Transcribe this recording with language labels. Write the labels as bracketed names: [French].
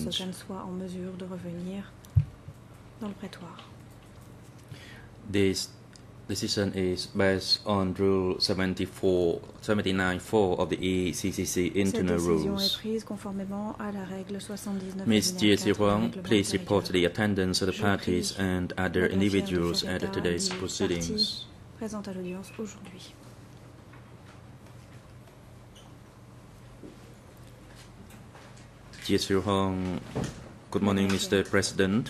[French] Soit en mesure de revenir dans le prétoire. [English] This decision is based on Rule 79.4 of the ECCC Internal Rules. [French] Cette décision est prise conformément à la règle 79. [English] Ms. Jie Zhiwang, please report the attendance of the parties and other individuals at today's proceedings. [French] Présente à l'audience aujourd'hui. [English] Jie Zhiwang, good morning, Mr. President.